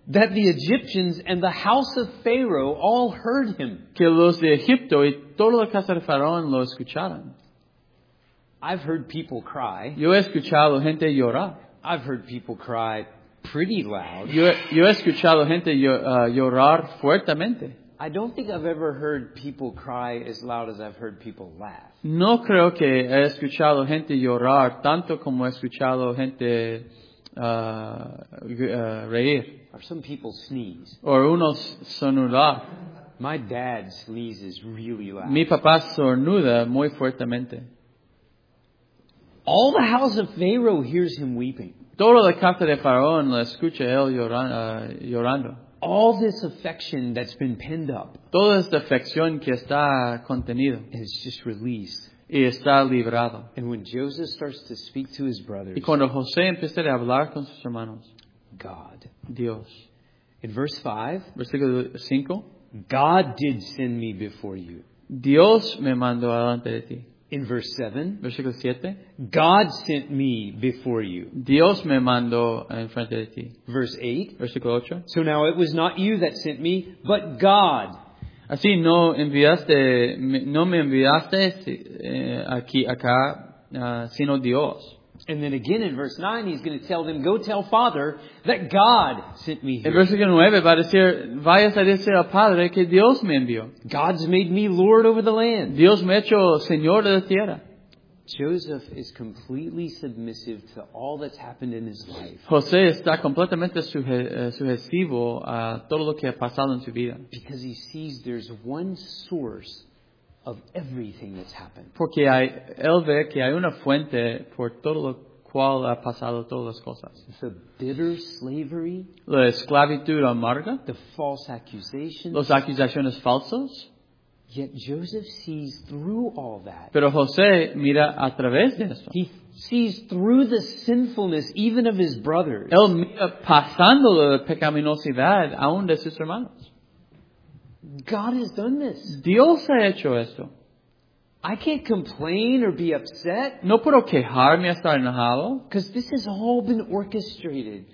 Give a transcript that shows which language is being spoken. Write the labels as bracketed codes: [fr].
[en] That the Egyptians and the house of Pharaoh all heard him. [es] Que los de Egipto y toda la casa de Faraón lo escucharon. [en] I've heard people cry. [es] Yo he escuchado gente llorar. [en] I've heard people cry pretty loud. [es] Yo he escuchado gente llorar fuertemente. [en] I don't think I've ever heard people cry as loud as I've heard people laugh. [es] No creo que he escuchado gente llorar tanto como he escuchado gente reír. [en] Or some people sneeze. [es] Or unos sonular. [en] My dad sneezes really loud. [es] Mi papá sonuda muy fuertemente. [en] All the house of Pharaoh hears him weeping. [es] Toda la casa de Faraón la escucha él llorando. [en] All this affection that's been pinned up. [es] Toda esta afección que está contenida. [en] Is just released. [es] Y está librado. [en] And when Joseph starts to speak to his brothers. [es] Y cuando José empieza a hablar con sus hermanos. [en] God. [es] Dios. [en] In verse 5. [es] Versículo 5. [en] God did send me before you. [es] Dios me mandó adelante de ti. [en] In verse 7. [es] Versículo 7. [en] God sent me before you. [es] Dios me mandó en frente de ti. [en] Verse 8. [es] Versículo 8. [en] So now it was not you that sent me, but God. [es] Así no enviaste, no me enviaste aquí, acá, sino Dios. [en] And then again in verse 9, he's going to tell them, go tell Father that God sent me here. [es] En versículo 9 va a decir, vayas a decir al Padre que Dios me envió. [en] God's made me Lord over the land. [es] Dios me ha hecho Señor de la tierra. [en] Joseph is completely submissive to all that's happened in his life. [es] José está completamente sujetivo a todo lo que ha pasado en su vida. [en] Because he sees there's one source of everything that's happened. [es] Porque hay, él ve que hay una fuente por todo lo cual ha pasado todas las cosas. [en] The bitter slavery. [es] La esclavitud amarga. [en] The false accusations. [es] Las acusaciones falsas. [en] Yet Joseph sees through all that. [es] Pero José mira a través de eso. [en] He sees through the sinfulness even of his brothers. [es] Él mira pasando la pecaminosidad aún de sus hermanos. [en] God has done this. [es] Dios ha hecho esto. [en] I can't complain or be upset. [es] No puedo quejarme a estar enojado. [en] Because this has all been orchestrated.